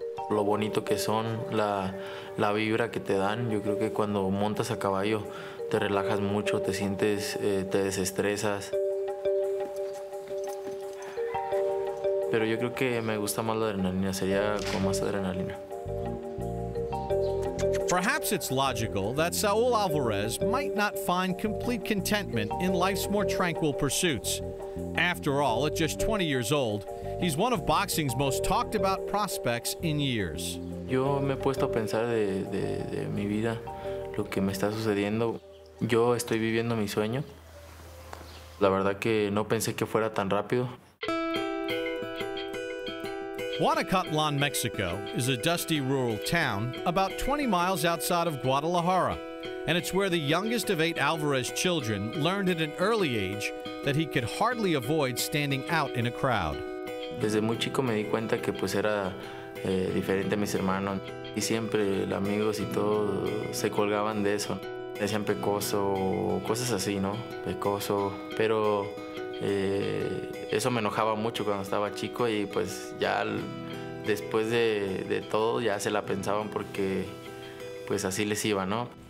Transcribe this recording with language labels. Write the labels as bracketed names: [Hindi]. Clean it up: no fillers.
[Spanish] Lo bonito que son, la vibra que te dan. Yo creo que cuando montas a caballo te relajas mucho, te sientes, te desestresas. Pero yo creo que me gusta más la adrenalina, sería con más adrenalina. [English] Perhaps it's logical that Saul Alvarez might not find complete contentment in life's more tranquil pursuits. After all, at just 20 years old, he's one of boxing's most talked about prospects in years. [Spanish] Yo me he puesto a pensar de mi vida, lo que me está sucediendo. Yo estoy viviendo mi sueño. La verdad que no pensé que fuera tan rápido. [English] Guanacatlan, Mexico is a dusty rural town about 20 miles outside of Guadalajara, and it's where the youngest of eight Alvarez children learned at an early age that he could hardly avoid standing out in a crowd. [Spanish] Desde muy chico me di cuenta que pues era diferente a mis hermanos, y siempre los amigos y todo se colgaban de eso. Decían pecoso, cosas así, ¿no? Pecoso, pero eso me enojaba mucho cuando estaba chico, y pues ya después de todo ya se la pensaban, porque pues así les iba, ¿no?